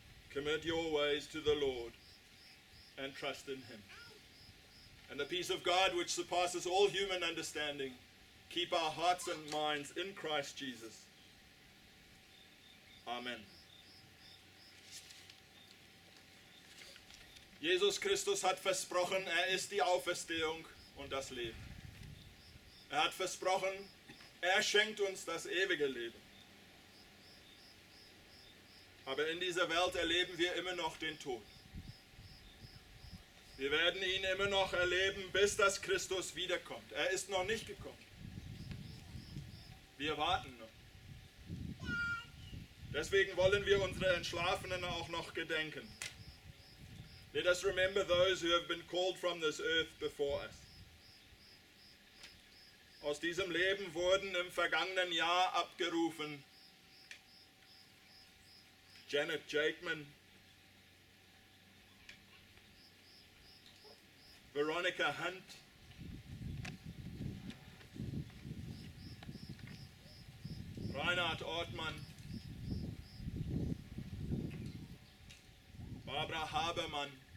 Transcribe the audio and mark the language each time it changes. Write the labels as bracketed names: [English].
[English] Commit your ways to the Lord and trust in him. And the peace of God, which surpasses all human understanding, keep our hearts and minds in Christ Jesus. Amen. [German] Jesus Christus hat versprochen, er ist die Auferstehung und das Leben. Er hat versprochen, er schenkt uns das ewige Leben. Aber in dieser Welt erleben wir immer noch den Tod. Wir werden ihn immer noch erleben, bis das Christus wiederkommt. Er ist noch nicht gekommen. Wir warten noch. Deswegen wollen wir unsere Entschlafenen auch noch gedenken. [English] Let us remember those who have been called from this earth before us. [German] Aus diesem Leben wurden im vergangenen Jahr abgerufen Janet Jakeman, Veronica Hunt, Reinhard Ortmann, Barbara Habermann,